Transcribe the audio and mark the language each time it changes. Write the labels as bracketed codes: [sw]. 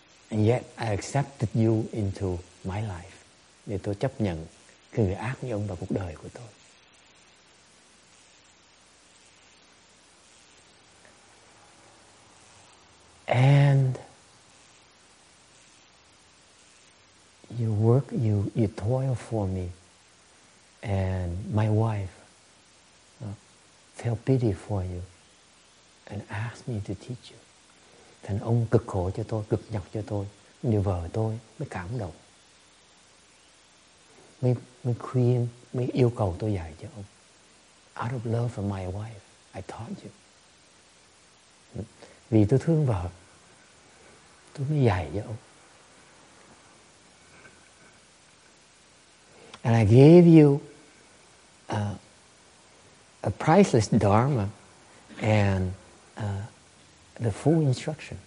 [en] And yet I accepted you into my life." [vi] Để tôi chấp nhận cái người ác như ông vào cuộc đời của tôi. [en] "And you work, you toil for me, and my wife felt pity for you and asked me to teach you." [vi] Thành ông cực khổ cho tôi, cực nhọc cho tôi, nhiều vợ tôi mới cảm động, mới khuyên, mới yêu cầu tôi dạy cho ông. [en] "Out of love for my wife, I taught you." [vi] Vì tôi thương vợ, tôi mới dạy cho ông. [en] "And I gave you a priceless dharma and the full instruction.